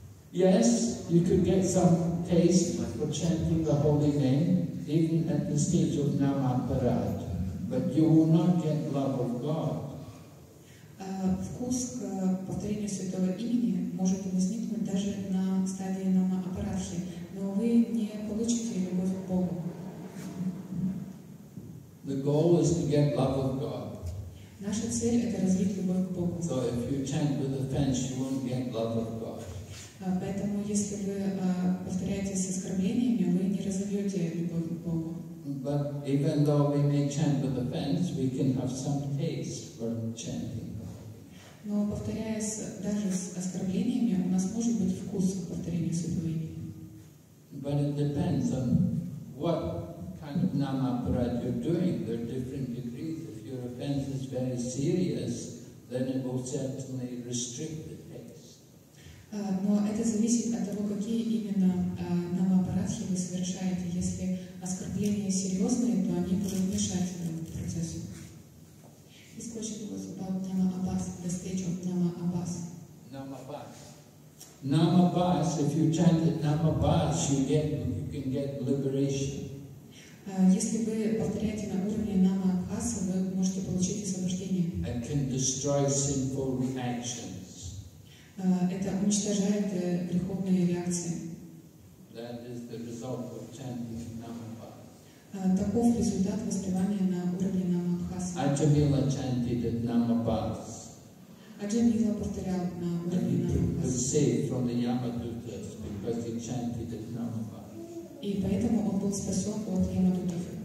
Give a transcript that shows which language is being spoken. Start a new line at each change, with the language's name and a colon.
English: Yes, you could get some taste for chanting the holy name, even at the stage of Namaparad, but you will not get love of God.
Russian: Вкус к повторению святого имени может возникнуть даже на стадии Намаапарадхи, но вы не получите любовь к Богу.
English: The goal is to get love of God.
Russian: Наша цель – это развить любовь к Богу.
English: So if you chant with offense, you won't get love of God.
Russian: Поэтому, если вы повторяете с оскорблениями, вы не разовьете любовь к Богу.
English: But even though we may chant with offense, we can have some taste for chanting.
Russian: Но повторяя даже с оскорблениями, у нас может быть вкус к повторению святого имени.
English: But it depends on what kind of namaparad you're doing. There are different degrees. If your offense is very serious, then it will certainly restrict it.
Russian: Но это зависит от того, какие именно намаапарадхи вы совершаете. Если оскорбления серьезные, то они будут мешать этому процессу.
English: This question was about Namaabhas, the stage of Namaabhas. Namaabhas. Namaabhas, if you chant it Namaabhas, you can get liberation.
Russian: Если вы повторяете на уровне Namaabhas, вы можете получить освобождение.
English: It can destroy sinful reactions.
Russian: это уничтожает греховные реакции.
English: That is the result of chanting Namapa.
Russian: Таков результат воспевания на уровне Намабхасы.
English: Аджамила chanted at Namapas.
Russian: Аджамила повторял на уровне Намабхасы.
English: Was saved from the Yamadutas because he chanted at Namapa.
Russian: И поэтому он был спасен от Ямадутов.